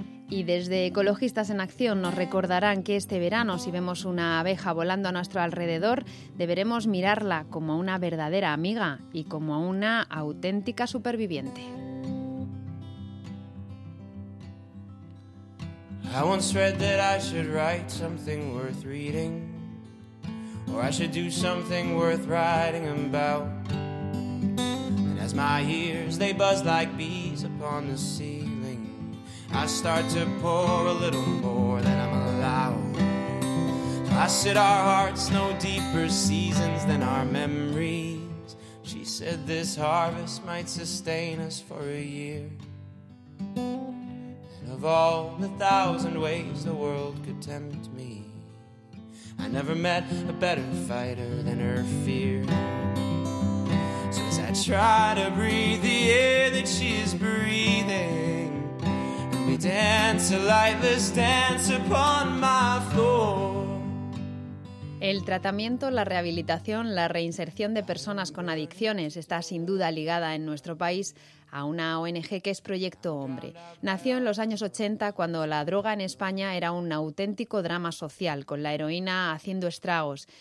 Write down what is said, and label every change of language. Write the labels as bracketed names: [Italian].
[Spanish] Y desde Ecologistas en Acción nos recordarán que este verano, si vemos una abeja volando a nuestro alrededor, deberemos mirarla como una verdadera amiga y como una auténtica superviviente. [English] I once read that I should write something worth reading, or I should do something worth writing about. And as my ears, they buzz like bees upon the sea, I start to pour a little more than I'm allowed. I said our hearts know deeper seasons than our memories. She said this harvest might sustain us for a year. And of all the thousand ways the world could tempt me, I never met a better fighter than her fear. So as I try to breathe the air that she is breathing, we dance a lifeless dance upon my floor. [Spanish] El tratamiento, la rehabilitación, la reinserción de personas con adicciones está sin duda ligada en nuestro país a una ONG que es Proyecto Hombre. Nació en los años 80 cuando la droga en España era un auténtico drama social, con la heroína haciendo estragos.